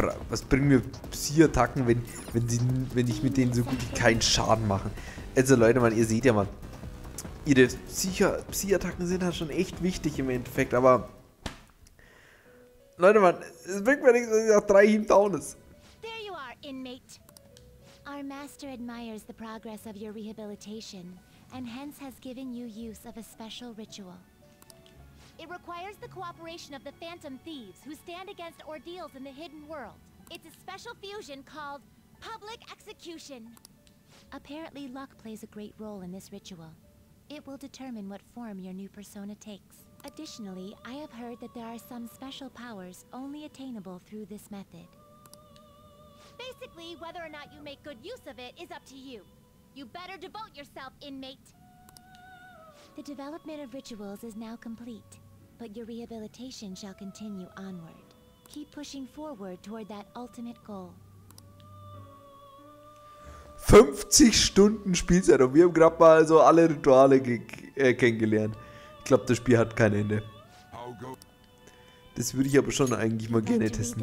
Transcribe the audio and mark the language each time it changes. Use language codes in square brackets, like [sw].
[de] Was bringen mir Psy-Attacken, wenn ich mit denen so gut wie keinen Schaden mache? Also Leute, Mann, ihr seht ja, Mann. Ihre Psy-Attacken sind halt schon echt wichtig im Endeffekt, aber... Leute, Mann, es bringt mir nichts, dass ich nach 3 Heam down ist. [en] There you are, inmate. Our master admires the progress of your rehabilitation. And hence has given you use of a special ritual. It requires the cooperation of the Phantom Thieves who stand against ordeals in the hidden world. It's a special fusion called public execution. Apparently, luck plays a great role in this ritual. It will determine what form your new persona takes. Additionally, I have heard that there are some special powers only attainable through this method. Basically, whether or not you make good use of it is up to you. You better devote yourself, inmate. The development of rituals is now complete, but your rehabilitation shall continue onward. Keep pushing forward toward that ultimate goal. [de] 50 Stunden Spielzeit und wir haben gerade mal so alle Rituale kennengelernt. Ich glaube, das Spiel hat kein Ende. Das würde ich aber schon eigentlich mal gerne testen.